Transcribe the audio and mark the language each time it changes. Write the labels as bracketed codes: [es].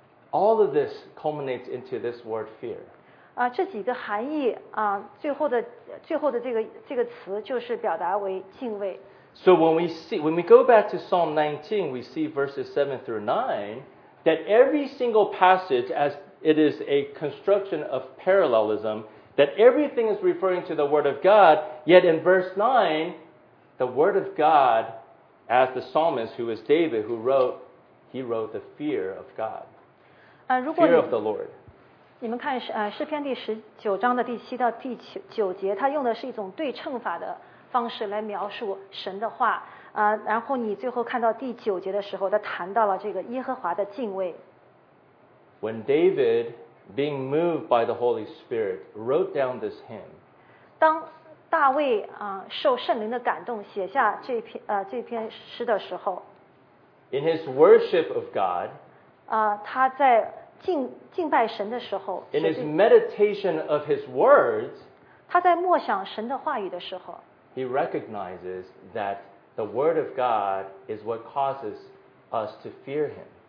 [en] All of this culminates into this word fear. [zh] 这几个含义, 最后的这个词就是表达为敬畏。 [en] So when we go back to Psalm 19, we see verses 7 through 9, that every single passage, as it is a construction of parallelism, that everything is referring to the Word of God, yet in verse 9, the Word of God, as the psalmist, who is David, who wrote, he wrote the fear of God, fear of the Lord. [zh] 你们看, 诗篇第19章的第7到第9节, 它用的是一种对称法的, 方式来描述神的话, 然后你最后看到第九节的时候, 他谈到了这个耶和华的敬畏。 [en] When David, being moved by the Holy Spirit, wrote down this hymn, [zh] 当大卫, 受圣灵的感动, 写下这篇, 这篇诗的时候, [en] In his worship of God, [zh] 他在敬, 敬拜神的时候, [en] In his meditation of his words, [zh] 他在默想神的话语的时候, [en] He recognizes that the Word of God is what causes us to fear Him.